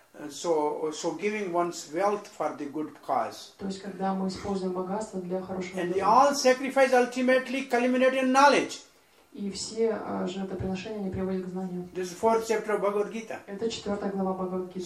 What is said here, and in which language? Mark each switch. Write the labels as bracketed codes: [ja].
[en] So giving one's wealth for the good cause. [ru] То есть когда мы используем богатство для хорошего [en] And all sacrifice ultimately culminate in knowledge. [ru] И все жертвоприношения не приводят к знанию. [en] This is fourth chapter of Bhagavad Gita. [ru] Это четвертая глава Бхагавад Гиты.